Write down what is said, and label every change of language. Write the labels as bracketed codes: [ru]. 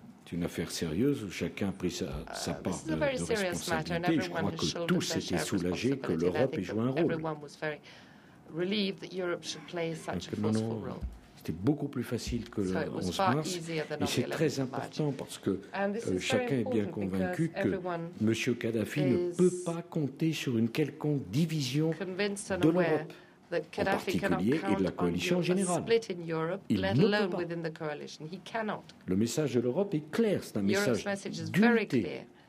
[fr] C'est une affaire sérieuse où chacun a pris sa part de responsabilité. Je crois que tous étaient soulagés que l'Europe ait joué un rôle. [en] Relieved that Europe should play such a forceful role. [fr] C'était beaucoup plus facile que le 11 mars. Et c'est très important parce que chacun est bien convaincu que M. Kadhafi ne peut pas compter sur une quelconque division de l'Europe, en particulier et de la coalition générale. Il ne peut pas. Le message de l'Europe est clair, c'est un message d'unité.